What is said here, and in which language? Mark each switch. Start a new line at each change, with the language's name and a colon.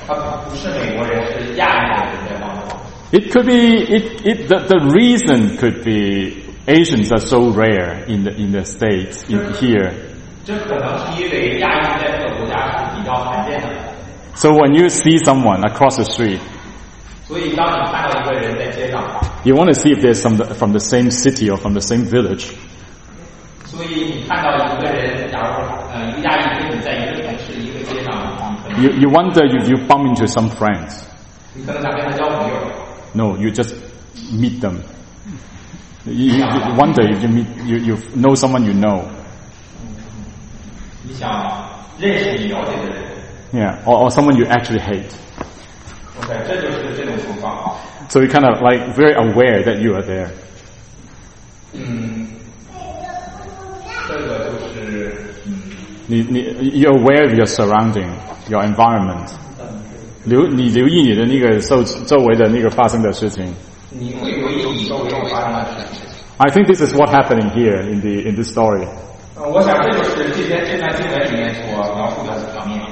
English: The reason could be Asians are so rare in the States, here.
Chinese: 这可能是因为亚裔在这个国家是比较罕见的。
English: So when you see someone across the street,
Chinese: 所以当你看到一个人在街上，
English: you want to see if they're from the same city or from the same village.
Chinese: 所以你看到一个人，假如一个亚裔跟你在一个城市一个街上，
English: You wonder if you bump into some friends.
Chinese: 你可能想跟他交朋友。
English: No, you just meet them. You wonder if you know someone you know.
Chinese: 你想认识你了解的人。
English: Yeah, or someone you actually hate.
Chinese: Okay, 这就是这种情况。
English: So you're kind of like very aware that you are there.
Chinese: 这个就是
English: You're aware of your surrounding, your environment.
Chinese: 留你留意你的那个周围的那个发生的事情。你会留意你周围发生的事情。
English: I think this is what happening here in this story.
Chinese: 我想这就是这段经文里面所描述的场面。